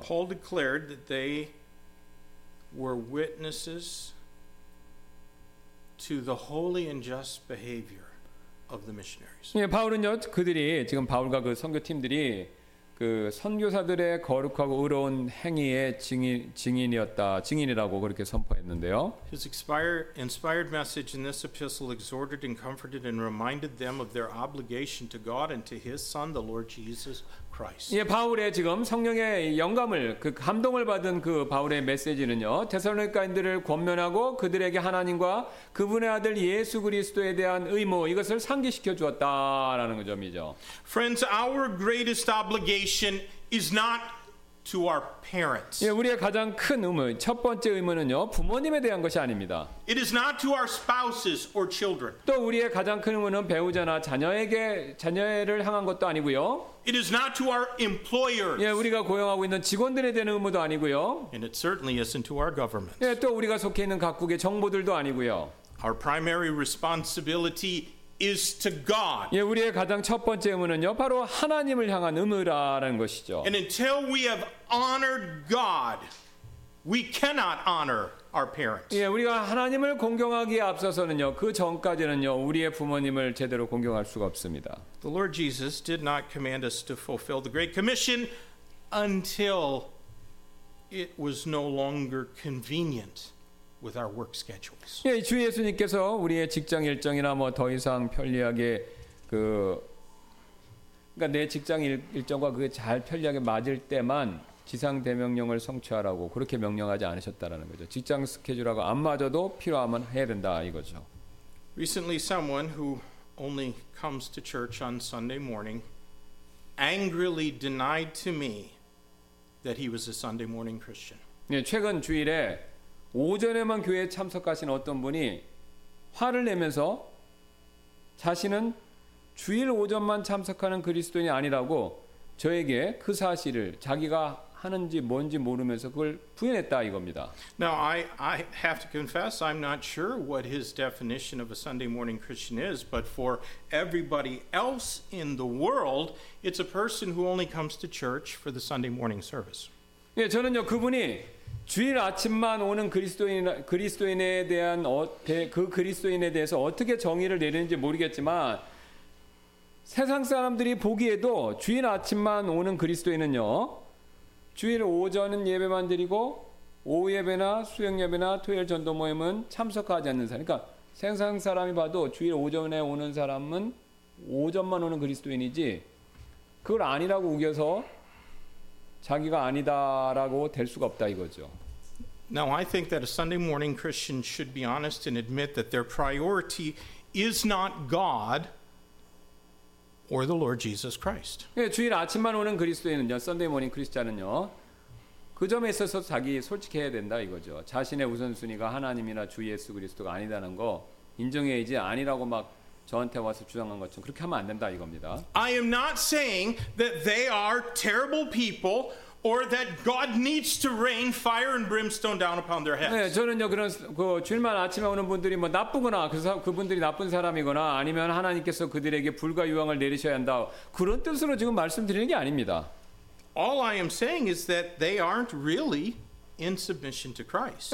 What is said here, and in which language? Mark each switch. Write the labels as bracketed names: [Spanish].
[English] Paul declared that they were witnesses to the holy and just behavior of the missionaries. [Korean] 예, 바울은요 그들이 지금 바울과 그 선교팀들이 그 선교사들의 거룩하고 의로운 행위의 증인이었다. 증인이라고 그렇게 선포했는데요. [English] His inspired message in this epistle exhorted and comforted and reminded them of their obligation to God and to his son the Lord Jesus Christ. [Korean] 예, 바울의 지금 성령의 영감을 그 감동을 받은 그 바울의 메시지는요. 데살로니가인들을 권면하고 그들에게 하나님과 그분의 아들 예수 그리스도에 대한 의무 이것을 상기시켜 주었다라는 점이죠. [English] Friends, our greatest obligation is not to our parents. [Korean] 예, 우리의 가장 큰 의무, 첫 번째 의무는요, 부모님에 대한 것이 아닙니다. [English] It is not to our spouses or children. [Korean] 또 우리의 가장 큰 의무는 배우자나 자녀를 향한 것도 아니고요. [English] It is not to our employers. [Korean] 예, 우리가 고용하고 있는 직원들에 대한 의무도 아니고요. [English] And it certainly isn't to our government. [Korean] 예, 또 우리가 속해 있는 각국의 정부들도 아니고요. [English] Our primary responsibility is to God. [Korean] 예, 우리의 가장 첫 번째 의무는요, 바로 하나님을 향한 의무라는 것이죠. [English] And until we have honored God, we cannot honor our parents. [Korean] 예, 우리가 하나님을 공경하기에 앞서서는요, 그 전까지는요, 우리의 부모님을 제대로 공경할 수가 없습니다. [English] The Lord Jesus did not command us to fulfill the Great Commission until it was no longer convenient with our work schedules. [Korean] 예, 주 예수님께서 우리의 직장 일정이나 뭐 더 이상 편리하게 그러니까 내 직장 일정과 그게 잘 편리하게 맞을 때만 지상 대명령을 성취하라고 그렇게 명령하지 않으셨다라는 거죠. 직장 스케줄하고 안 맞아도 필요하면 해야 된다 이거죠. [English] Recently someone who only comes to church on Sunday morning angrily denied to me that he was a Sunday morning Christian. [Korean] 예, 최근 주일에 오전에만 교회에 참석하신 어떤 분이 화를 내면서 자신은 주일 오전만 참석하는 그리스도인이 아니라고 저에게 그 사실을 자기가 하는지 뭔지 모르면서 그걸 부인했다 이겁니다. [English] Now I have to confess I'm not sure what his definition of a Sunday morning Christian is, but for everybody else in the world, it's a person who only comes to church for the Sunday morning service. [Korean] 예, 저는요 그분이 주일 아침만 오는 그리스도인에 대한 그 그리스도인에 대해서 어떻게 정의를 내리는지 모르겠지만 세상 사람들이 보기에도 주일 아침만 오는 그리스도인은요 주일 오전은 예배만 드리고 오후 예배나 수영 예배나 토요일 전도 모임은 참석하지 않는 사람. 그러니까 세상 사람이 봐도 주일 오전에 오는 사람은 오전만 오는 그리스도인이지 그걸 아니라고 우겨서 자기가 아니다라고 될 수가 없다 이거죠. [English] Now I think that a Sunday morning Christian should be honest and admit that their priority is not God or the Lord Jesus Christ. [Korean] 예, 주일 아침만 오는 그리스도인은요, [English] Sunday morning Christian [Korean] 은요, 그 점에 있어서 자기 솔직해야 된다 이거죠. 자신의 우선순위가 하나님이나 주 예수 그리스도가 아니다는 거 인정해야지 아니라고 막 저한테 와서 주장한 것처럼 그렇게 하면 안 된다 이겁니다. [English] I am not saying that they are terrible people or that God needs to rain fire and brimstone down upon their heads. [Korean] 네, 저는요 그런 그 주일만 아침에 오는 분들이 뭐 나쁘거나 그분들이 나쁜 사람이거나 아니면 하나님께서 그들에게 불과 유황을 내리셔야 한다 그런 뜻으로 지금 말씀드리는 게 아닙니다. [English] All I am saying is that they aren't really in submission to Christ.